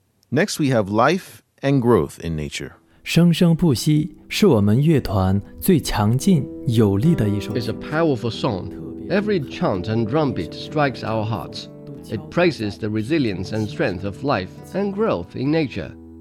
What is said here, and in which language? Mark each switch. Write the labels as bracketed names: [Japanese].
[English] Next, we have life and growth in nature. [Chinese] 生生不息是我们乐团最强劲有力的一首歌。 [English] It's a powerful song. Every chant and drumbeat strikes our hearts. It praises the resilience and strength of life and growth in nature.